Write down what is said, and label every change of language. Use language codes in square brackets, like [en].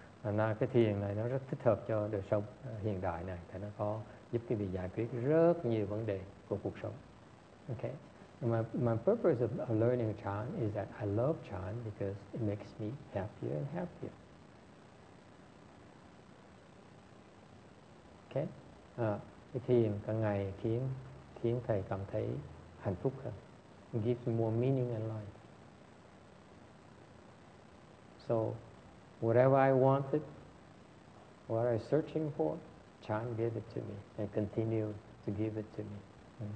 [vi] Thành ra cái thiền này nó rất thích hợp cho đời sống hiện đại này. Thì nó có giúp quý vị giải quyết rất nhiều vấn đề của cuộc sống. [en] Okay. My purpose of learning chan is that I love chan because it makes me happier and happier. Okay. [vi] Cái thiền cả ngày khiến thầy cảm thấy hạnh phúc hơn. [en] Gives more meaning in life. So, whatever I wanted, what I was searching for, chan gave it to me and continued to give it to me.